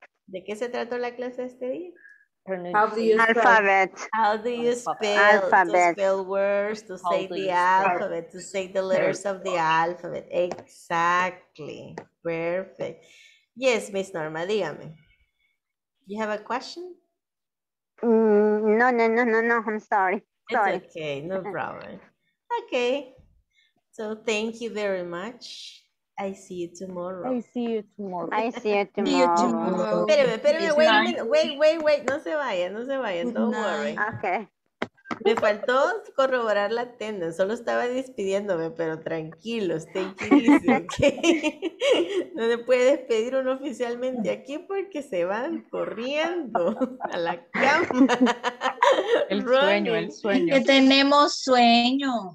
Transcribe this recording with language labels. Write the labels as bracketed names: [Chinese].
[Spanish] ¿De qué se trató la clase este día? [English] Alphabet. How do you spell? Alphabet. To spell words, to say the alphabet, to say the letters of the alphabet. Exactly. Perfect. Yes, Miss Norma, [Spanish] dígame. [English] You have a question? No. I'm sorry. It's okay. No problem. Okay. So thank you very much. I see you tomorrow. I see you tomorrow. [Spanish] Espérame, [English] wait a minute. Wait, [Spanish] no se vaya, [English] don't worry. Okay. [Spanish] Me faltó corroborar la tenda. Solo estaba despidiéndome, pero tranquilos, [English] take it easy, okay. [Spanish] No se puede despedir uno oficialmente aquí porque se van corriendo a la cama. El running. Sueño, el sueño. Que tenemos sueño.